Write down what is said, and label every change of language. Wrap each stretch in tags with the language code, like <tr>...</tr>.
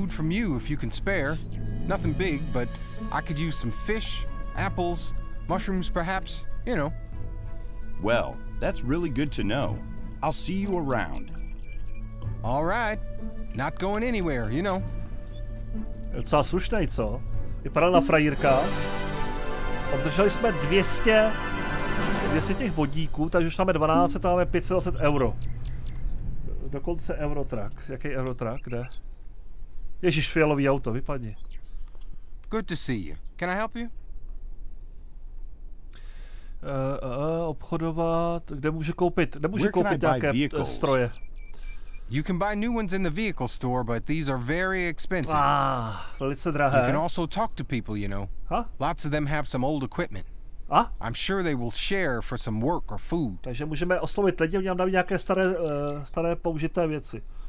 <en>also buy food from you if you can spare. Nothing big, but I could use some fish, apples, mushrooms perhaps, you know. Well, that's really good to know. I'll see you around. All right. Not going anywhere, you know.</en> <cs>Co slušnej, co? Vypadal na frajírka. Obdrželi jsme 200 těch bodíků, takže už máme 12 a máme 520 euro. Dokonce Eurotruck. Jaký Eurotruck, kde? Ježíš, fialový auto, vypadni.</cs> <en>Good to see you. Can I help you?</en> <cs>Obchodovat, kde můžu koupit? Nemůžu koupit nějaké stroje.</cs> <en>You can buy new ones in the vehicle store, but these are very expensive.</en> <cs>Velice drahé.</cs> <en>You can also talk to people, you know. Huh? Lots of them have some old equipment. Huh? I'm sure they will share for some work or food.</en> <cs>Takže můžeme oslovit lidi, oni nám dají nějaké staré, staré použité věci.</cs>